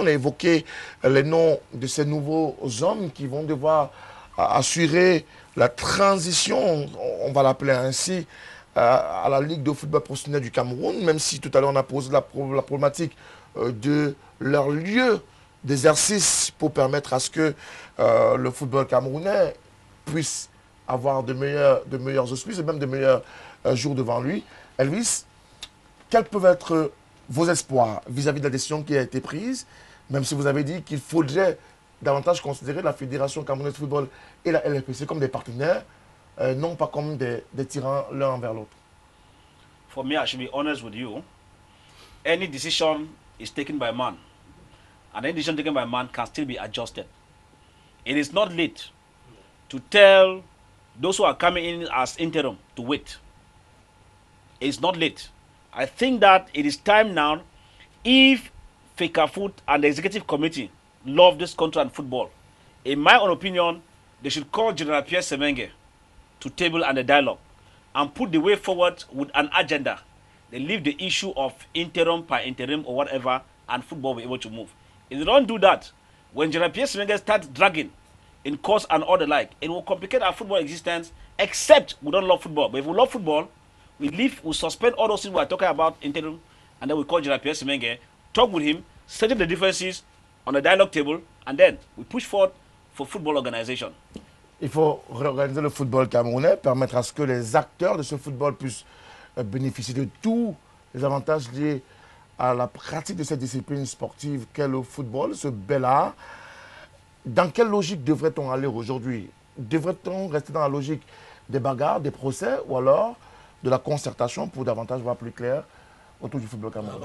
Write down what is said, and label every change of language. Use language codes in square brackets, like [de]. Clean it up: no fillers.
[fr] On a évoqué les noms de ces nouveaux hommes qui vont devoir assurer la transition, on va l'appeler ainsi, à la Ligue de football professionnel du Cameroun, même si tout à l'heure on a posé la problématique de leur lieu d'exercice pour permettre à ce que le football camerounais puisse avoir de meilleurs auspices et même de meilleurs jours devant lui. Elvis, quels peuvent être vos espoirs vis-à-vis de la décision qui a été prise, même si vous avez dit qu'il faudrait davantage considérer la Fédération Camerounaise de football et la LFPC comme des partenaires, non pas comme des tyrans l'un envers l'autre? [en] For me, I should be honest with you. Any decision is taken by man. And any decision taken by man can still be adjusted. It is not late to tell those who are coming in as interim to wait. It's not late. I think that it is time now, if FECAFOOT and the executive committee love this country and football, in my own opinion, they should call General Pierre Semenge to table and a dialogue and put the way forward with an agenda. They leave the issue of interim by interim or whatever, and football will be able to move. If they don't do that, when General Pierre Semenge starts dragging in courts and all the like, it will complicate our football existence, except we don't love football. But if we love football, we leave, we suspend all those things we are talking about interim, and then we call General Pierre Semenge, talk with him, settle the differences on a dialogue table, and then we push forward for football organization. [fr] Il faut réorganiser le football camerounais, permettre à ce que les acteurs de ce football puissent bénéficier de tous les avantages liés à la pratique de cette discipline sportive qu'est le football, ce bel art. Dans quelle logique devrait-on aller aujourd'hui? Devrait-on rester dans la logique des bagarres, des procès, ou alors de la concertation pour davantage voir plus clair autour du football camerounais?